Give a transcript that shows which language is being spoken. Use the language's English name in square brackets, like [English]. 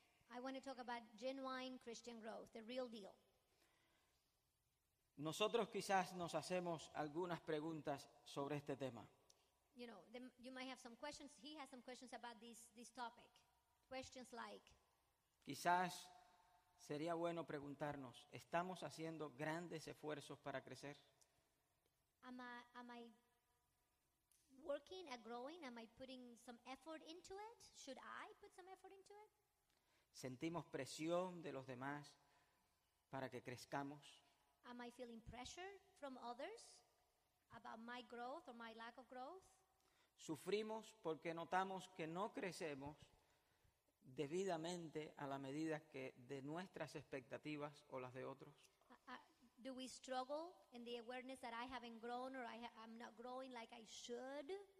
[English] I want to talk about genuine Christian growth, the real deal. [Spanish] Nosotros quizás nos hacemos algunas preguntas sobre este tema. [English] You know, you might have some questions. He has some questions about this topic. Questions like, [Spanish] quizás sería bueno preguntarnos, ¿estamos haciendo grandes esfuerzos para crecer? [English] Am I working at growing? Am I putting some effort into it? Should I put some effort into it? [Spanish] ¿Sentimos presión de los demás para que crezcamos? [English] Am I feeling pressure from others about my growth or my lack of growth? [Spanish] ¿Sufrimos porque notamos que no crecemos debidamente a la medida que de nuestras expectativas o las de otros? [English] Do we struggle in the awareness that I haven't grown or I'm not growing like I should?